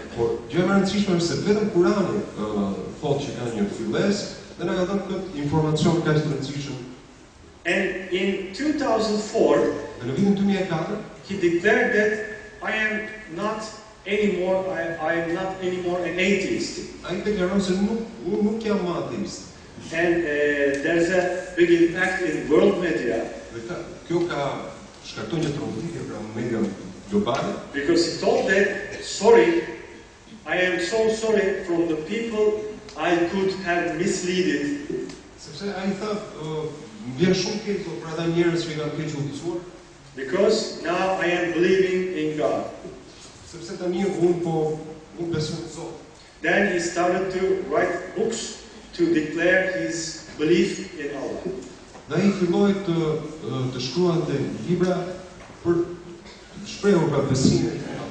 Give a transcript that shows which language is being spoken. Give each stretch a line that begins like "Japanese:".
Albanian: Por gjë më e rëndësishme është se vetëm Kurani thotë që ka një fillesë dhe na ka dhënë këtë informacion kaq të rëndësishëm.
English: And in 2004,
Albanian: në vitin 2004,
English: he declared that I am not anymore an atheist.
Albanian: Ai deklaron se nuk jam ateist.
English: And there's a big impact in world media.
Albanian: Kjo ka shkaktuar një trumbullim në media globale.
English: Because he told that, sorry, I am so sorry from the people I could have misled.
Albanian: Sepse ai tha, vjen shumë keq për ata njerëz që i kanë keq udhëzuar.
English: Because now I am believing in God.
Albanian: Sepse tani un besoj në Zot.
English: Then he started to write books to declare his belief in Allah.
Albanian: Dhe i filloi të shkruante libra për shprehur pra besimin.